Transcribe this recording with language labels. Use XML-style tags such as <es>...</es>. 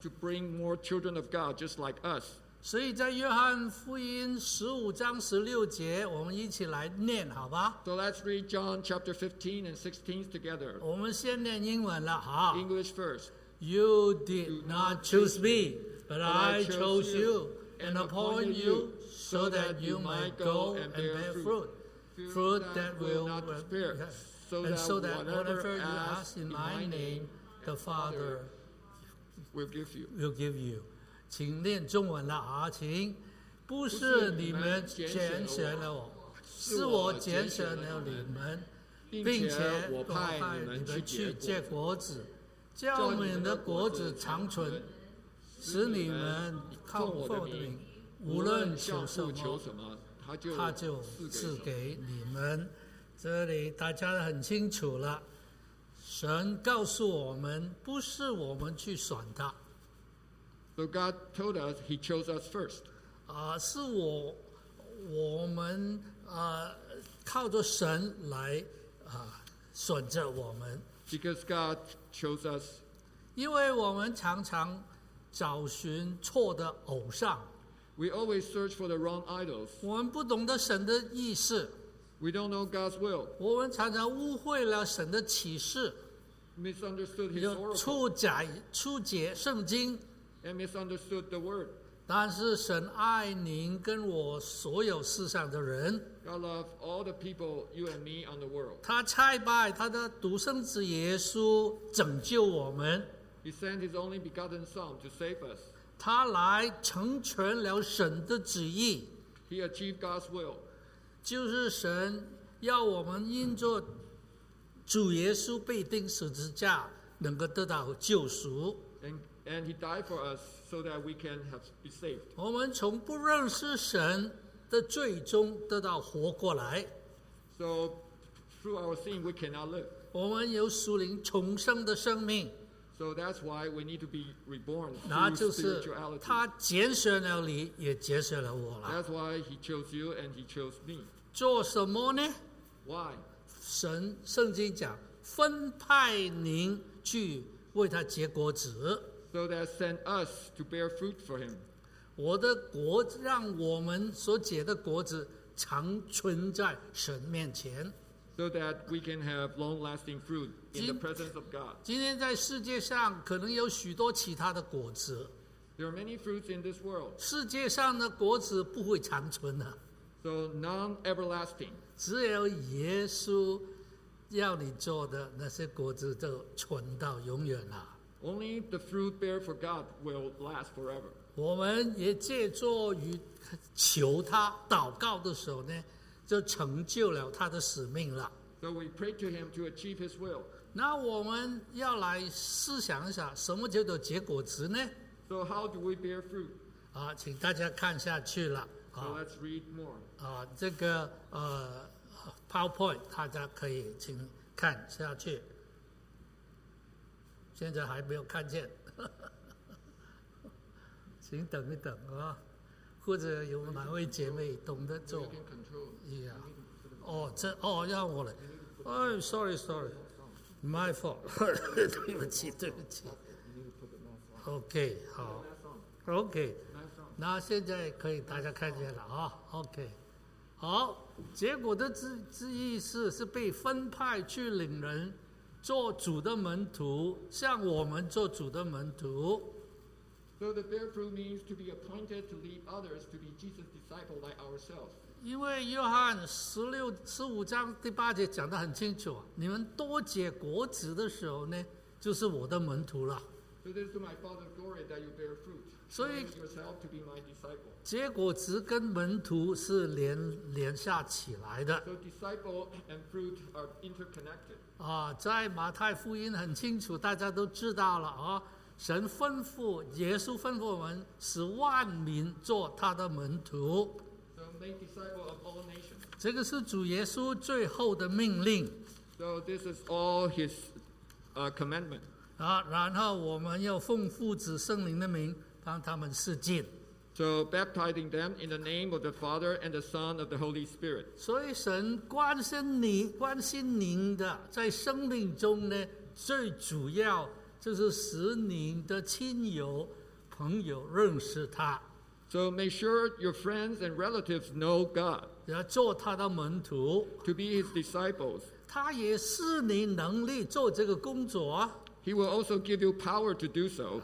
<en>to bring more children of God just like us.</en> <zh>所以在约翰福音十五章十六节，我们一起来念，好吧</zh> <en>？So let's read John chapter 15 and 16 together.</en> <zh>我们先念英文了，好。</zh> <en>English first. You did not choose me, but I chose you and appointed you so that you might go and bear fruit, fruit that will not disappear, and so that whatever you ask in my name, the Father will give you.</en> <zh>请念中文了啊，请。不是你们拣选了我，是我拣选了你们，并且我派你们去结果子，叫你们的果子长存，使你们靠我的名，无论求什么，他就赐给你们。这里大家很清楚了，神告诉我们，不是我们去选他。</zh> <en>So God told us He chose us first.</en> <zh>是我们靠着神来选择我们。</zh> <en>Because God chose us.</en> <zh>因为我们常常找寻错的偶像。</zh> <en>We always search for the wrong idols.</en> <zh>我们不懂得神的意思。</zh> <en>We don't know God's will.</en> <zh>我们常常误会了神的启示。</zh> <en>Misunderstood His oracle.</en> <zh>初解圣经。</zh> <en>And misunderstood the word.</en> <zh>但是神爱您跟我所有世上的人。</zh> <en>God loves all the people, you and me, on the world.</en> <zh>他差派他的独生子耶稣拯救我们。</zh> <en>He sent His only begotten Son to save us.</en> <zh>他来成全了神的旨意。</zh> <en>He achieved God's will.</en> <zh>就是神要我们因着主耶稣被钉十字架，能够得到救赎。</zh> <en>And he died for us so that we can have be saved.</en> <zh>我们从不认识神的罪中得到活过来。</zh> <en>So through our sin we cannot live.</en> <zh>我们有属灵重生的生命。</zh> <en>So that's why we need to be reborn.</en> <zh>那就是他拣选了你，也拣选了我了。</zh> <en>That's why he chose you and he chose me.</en> <zh>做什么呢</zh> <en>？Why?</en> <zh>神圣经讲，分派您去为他结果子。</zh> <en>So that sent us to bear fruit for him.</en> <zh>我的果子让我们所结的果子长存在神面前。</zh> <en>So that we can have long-lasting fruit in the presence of God.</en> <zh>今天在世界上可能有许多其他的果子。</zh> <en>There are many fruits in this world.</en> <zh>世界上的果子不会长存的。</zh> <en>So non-everlasting.</en> <zh>只有耶稣要你做的那些果子就存到永远了。</zh> <en>Only the fruit bear for God will last forever.</en> <zh>我们也借助于求他祷告的时候呢，就成就了他的使命了。</zh> <en>So we pray to him to achieve his will.</en> <zh>那我们要来思想一下，什么叫做结果子呢</zh> <en>？So how do we bear fruit?</en> <zh>请大家看下去了。</zh> <en>So let's read more.</en> <zh>这个PowerPoint 大家可以请看下去。现在还没有看见，请等一等啊，或者有哪位姐妹懂得做？呀，哦，这哦，让我来。哎 ，</zh> <en>sorry， my fault，</en> <zh>对不起，对不起。 OK， 好 ，OK， 那现在可以大家看见了啊 ，OK， 好，结果的意思是被分派去领人。做主的门徒，像我们做主的门徒。</zh> <en>So the bear fruit means to be appointed to lead others to be Jesus' disciple like ourselves.</en> <zh>因为约翰十五章第八节讲得很清楚，你们多结果子的时候呢，就是我的门徒了。</zh> <en>So this is to my Father's glory that you bear fruit.</en> <zh>所以</zh> <en>yourself to be my disciple.</en> <zh>结果子跟门徒是连下起来的。</zh> <en>So disciple and fruit are interconnected.</en> <zh>在马太福音很清楚，大家都知道了啊。神吩咐耶稣吩咐我们，使万民做他的门徒。</zh> <en>So make disciples of all nations.</en> <zh>这个是主耶稣最后的命令。</zh> <en>So this is all his commandment.</en> <zh>然后我们要奉父子圣灵的名帮他们施浸。</zh> <en>So baptizing them in the name of the Father and the Son of the Holy Spirit.</en> <zh>所以神关心你，关心您的，在生命中呢，最主要就是使你的亲友朋友认识他。</zh> <en>So make sure your friends and relatives know God.</en> <zh>要做他的门徒。</zh> <en>To be his disciples.</en> <zh>他也赐你能力做这个工作。</zh> <en>He will also give you power to do so.</en>